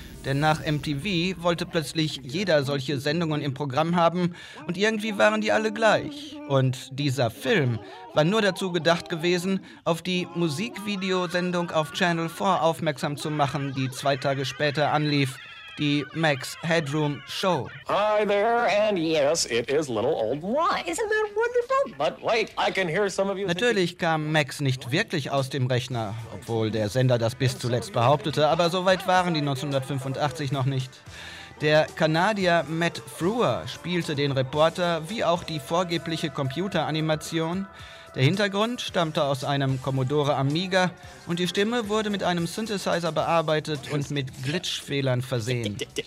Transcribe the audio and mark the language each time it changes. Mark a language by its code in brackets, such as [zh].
[de] Denn nach MTV wollte plötzlich jeder solche Sendungen im Programm haben und irgendwie waren die alle gleich. Und dieser Film war nur dazu gedacht gewesen, auf die Musikvideosendung auf Channel 4 aufmerksam zu machen, die 2 Tage später anlief. die Max Headroom Show. [en] Hi there, and yes, it is little old Roy. Isn't that wonderful? But wait, I can hear some of you. [de] Natürlich kam Max nicht wirklich aus dem Rechner, obwohl der Sender das bis zuletzt behauptete, aber so weit waren die 1985 noch nicht. Der Kanadier Matt Frewer spielte den Reporter wie auch die vorgebliche Computeranimation. Der Hintergrund stammte aus einem Commodore Amiga und die Stimme wurde mit einem Synthesizer bearbeitet und mit Glitchfehlern versehen.